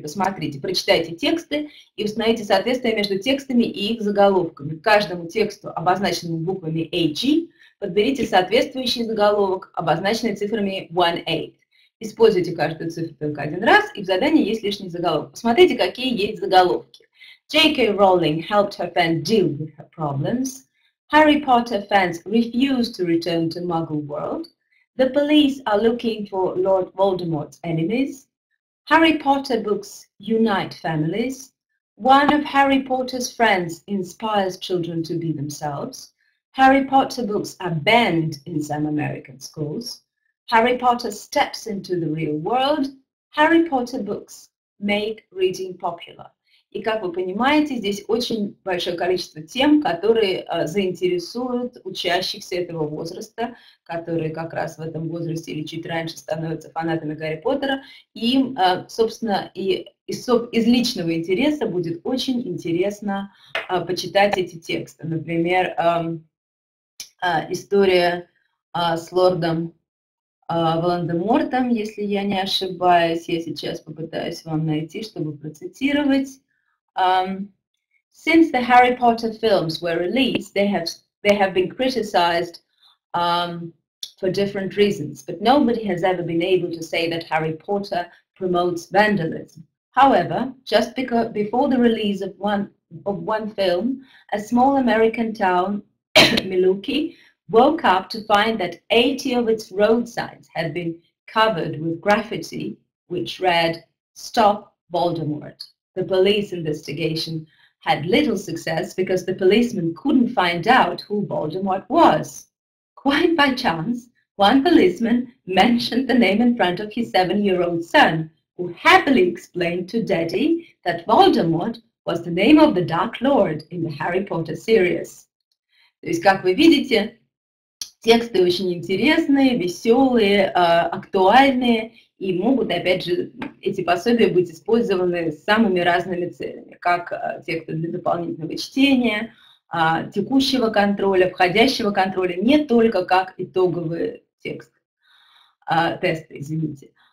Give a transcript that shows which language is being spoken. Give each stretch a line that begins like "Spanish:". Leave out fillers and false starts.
Russian: Посмотрите, прочитайте тексты и установите соответствие между текстами и их заголовками. К каждому тексту, обозначенному буквами A.G., подберите соответствующий заголовок, обозначенный цифрами 1-8. Используйте каждую цифру только один раз, и в задании есть лишний заголовок. Посмотрите, какие есть заголовки.
English: J.K. Rowling helped her fan deal with her problems. Harry Potter fans refuse to return to Muggle world. The police are looking for Lord Voldemort's enemies. Harry Potter books unite families. One of Harry Potter's friends inspires children to be themselves. Harry Potter books are banned in some American schools. Harry Potter steps into the real world. Harry Potter books make reading popular.
Russian: И как вы понимаете, здесь очень большое количество тем, которые заинтересуют учащихся этого возраста, которые как раз в этом возрасте или чуть раньше становятся фанатами Гарри Поттера. Им, собственно, из личного интереса будет очень интересно почитать эти тексты. Например, история с лордом Волан-де-Мортом, если я не ошибаюсь. Я сейчас попытаюсь вам найти, чтобы процитировать.
English: Since the Harry Potter films were released, they have been criticized for different reasons, but nobody has ever been able to say that Harry Potter promotes vandalism. However, just before the release of one film, a small American town, Milwaukee, woke up to find that 80 of its road signs had been covered with graffiti, which read, "Stop Voldemort." The police investigation had little success because the policemen couldn't find out who Voldemort was. Quite by chance, one policeman mentioned the name in front of his 7-year-old son, who happily explained to Daddy that Voldemort was the name of the Dark Lord in the Harry Potter series.
Russian: То есть, как вы видите, тексты очень интересные, веселые, актуальные. И могут, опять же, эти пособия быть использованы самыми разными целями, как те, кто для дополнительного чтения, текущего контроля, входящего контроля, не только как итоговый текст, тест, извините.